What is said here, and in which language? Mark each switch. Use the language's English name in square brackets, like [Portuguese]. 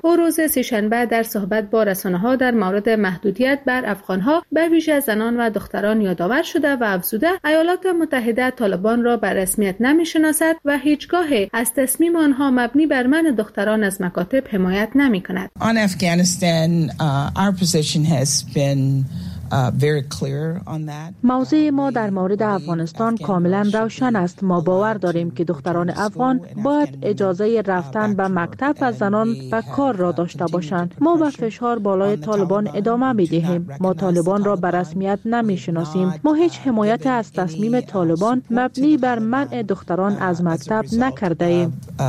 [Persian] او روز سه‌شنبه در صحبت با رسانه‌ها در مورد محدودیت بر افغان‌ها به ویژه زنان و دختران یادآور شده و افزوده ایالات متحده طالبان را به رسمیت نمی‌شناسد و هیچگاه از تصمیم آنها مبنی بر منع دختران از مکاتب حمایت نمی‌کند. آن افغانستان [English] our position has been very clear on that. [Persian] موضع ما در مورد افغانستان کاملا روشن است. ما باور داریم که دختران افغان باید اجازه رفتن به مکتب و زنان و کار را داشته باشند. ما به فشار بالای طالبان ادامه می دهیم. ما طالبان را به رسمیت نمی شناسیم. ما هیچ حمایت از تصمیم طالبان مبنی بر منع دختران از مکتب نکرده ایم.